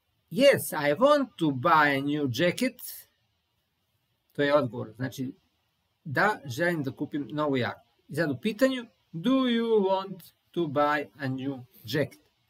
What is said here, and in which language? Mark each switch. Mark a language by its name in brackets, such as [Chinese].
[English] Yes, I want to buy a new jacket. [Serbian] To je odgovor. Znači, da, želim da kupim novu jaknu. I sad u pitanju, [English] do you want to buy a new jacket?